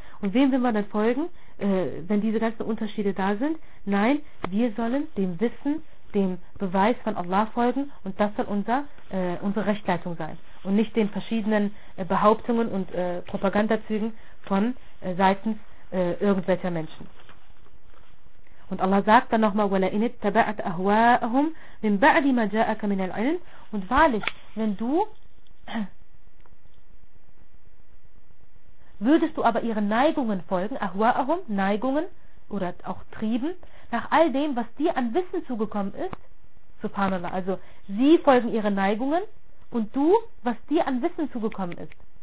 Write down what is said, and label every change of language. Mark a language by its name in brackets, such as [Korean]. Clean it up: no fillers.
[German] Und wem will man dann folgen, wenn diese ganzen Unterschiede da sind? Nein, wir sollen dem Wissen, dem Beweis von Allah folgen und das soll unsere Rechtleitung sein. Und nicht den verschiedenen Behauptungen und Propagandazügen von seitens irgendwelcher Menschen. Und Allah sagt dann nochmal, [Arabic] وَلَئِنِ اتَّبَعَتْ أَهْوَاءَهُمْ مِنْ بَعْدِ مَا جَاءَكَ مِنَ الْعِلْمِ. [German] Und wahrlich, wenn du, würdest du aber ihren Neigungen folgen, أَهْوَاءَهُمْ, Neigungen oder auch Trieben, nach all dem, was dir an Wissen zugekommen ist, subhanallah, also sie folgen ihren Neigungen und du, was dir an Wissen zugekommen ist.